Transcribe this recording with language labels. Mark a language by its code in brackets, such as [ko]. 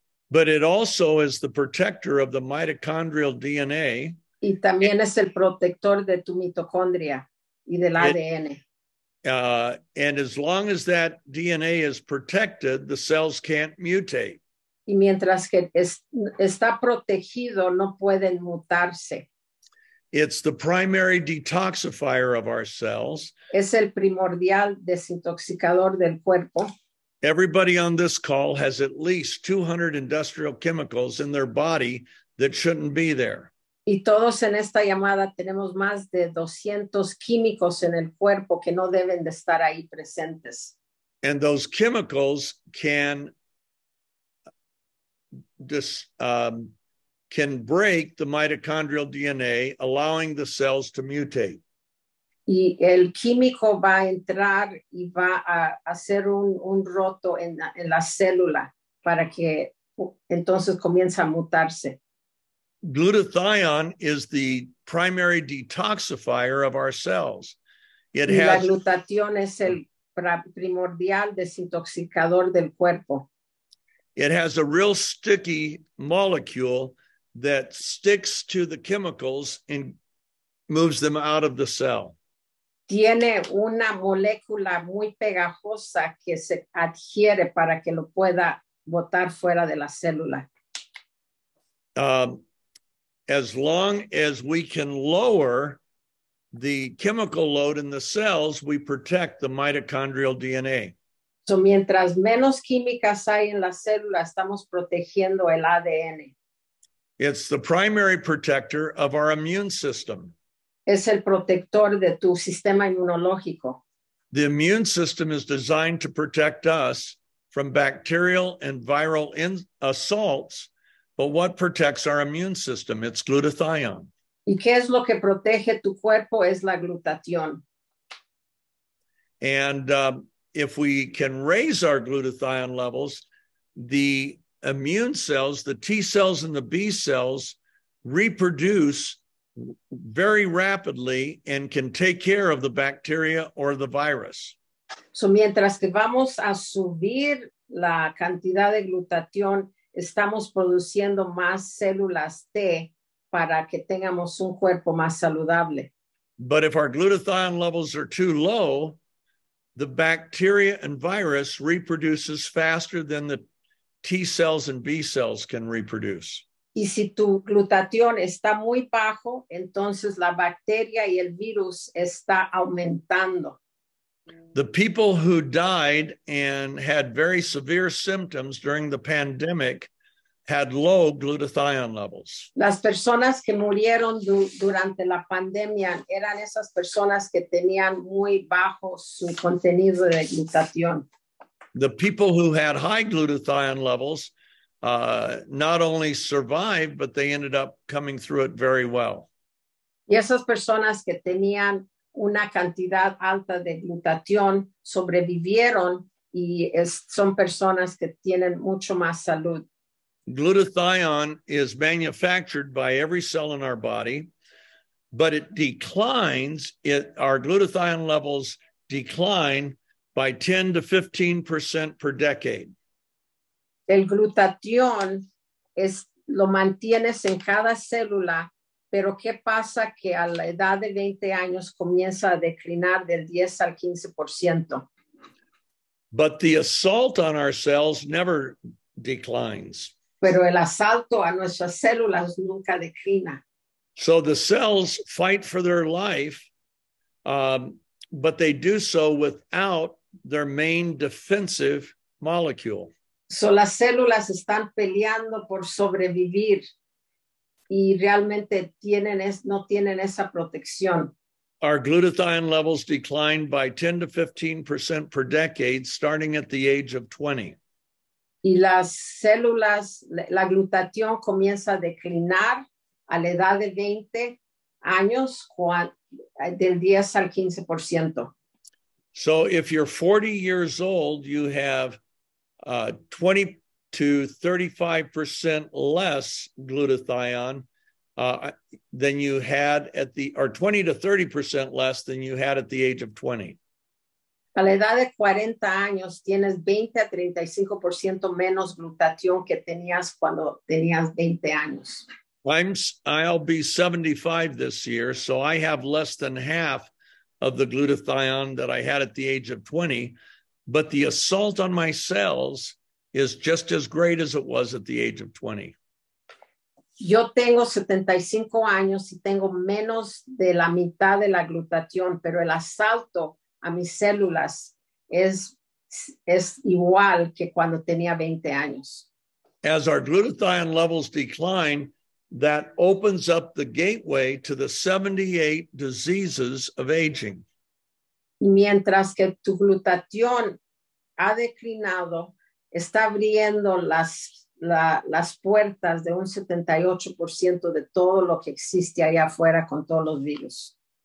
[en] But it also is the protector of the mitochondrial DNA. [es] Y también es el protector de tu mitocondria y del ADN. [en] And as long as that DNA is protected, the cells can't mutate. [es] Y mientras que está protegido, no pueden mutarse. [en] It's the primary detoxifier of our cells. [es] Es el primordial desintoxicador del cuerpo. [en] Everybody on this call has at least 200 industrial chemicals in their body that shouldn't be there. [es] Y todos en esta llamada tenemos más de 200 químicos en el cuerpo que no deben de estar ahí presentes. [en] And those chemicals can break the mitochondrial DNA, allowing the cells to mutate. [es] Y el químico va a entrar y va a hacer un roto en la célula para que entonces comience a mutarse. [en] glutathione is the primary detoxifier of our cells. It has, [es] la glutatión es el primordial desintoxicador del cuerpo. [en] It has a real sticky molecule that sticks to the chemicals and moves them out of the cell. [es] Tiene una molécula muy pegajosa que se adhiere para que lo pueda botar fuera de la célula. [en] As long as we can lower the chemical load in the cells, we protect the mitochondrial DNA. [es] So mientras menos químicas hay en la célula, estamos protegiendo el ADN. [en] It's the primary protector of our immune system. [es] Es el protector de tu sistema inmunológico. [en] The immune system is designed to protect us from bacterial and viral assaults. But what protects our immune system? It's glutathione. [es] ¿Y qué es lo que protege tu cuerpo? Es la glutatión. [en] And if we can raise our glutathione levels, the immune cells, the T cells and the B cells, reproduce very rapidly and can take care of the bacteria or the virus. [es] So mientras que vamos a subir la cantidad de glutatión, estamos produciendo más células T para que tengamos un cuerpo más saludable. [en] But if our glutathione levels are too low, the bacteria and virus reproduces faster than the T cells and B cells can reproduce. [es] Y si tu glutatión está muy bajo, entonces la bacteria y el virus está aumentando. [en] The people who died and had very severe symptoms during the pandemic had low glutathione levels. [es] Las personas que murieron durante la pandemia eran esas personas que tenían muy bajo su contenido de glutatión. [en] The people who had high glutathione levels not only survived, but they ended up coming through it very well. [es] Y esas personas que tenían una cantidad alta de glutatión sobrevivieron y son personas que tienen mucho más salud. [en] Glutathione is manufactured by every cell in our body, but it declines, our glutathione levels decline by 10 to 15% per decade. [es] El glutatión es lo mantienes en cada célula, pero ¿qué pasa que a la edad de 20 años comienza a declinar del 10 al 15%? [en] But the assault on our cells never declines. [es] Pero el asalto a nuestras células nunca declina. [en] So the cells fight for their life, but they do so without their main defensive molecule. [es] So las células están peleando por sobrevivir y realmente no tienen esa protección. [en] Our glutathione levels decline by 10 to 15% per decade starting at the age of 20. [es] Y las células, la glutatión comienza a declinar a la edad de 20 años, del 10 al 15%. [en] So if you're 40 years old, you have 20 to 35% less glutathione than you had at the, or 20 to 30% less than you had at the age of 20. [es] A la edad de 40 años tienes 20 a 35% menos glutatión que tenías cuando tenías 20 años. [en] I'll be 75 this year, so I have less than half of the glutathione that I had at the age of 20, but the assault on my cells is just as great as it was at the age of 20. [es] Yo tengo 75 años y tengo menos de la mitad de la glutatión, pero el asalto a mis células es igual que cuando tenía 20 años. [en] As our glutathione levels decline, that opens up the gateway to the 78 diseases of aging. [es] Y mientras que tu glutatión ha declinado, está abriendo las puertas de un 78% de todo lo que existe allá afuera con todos los virus.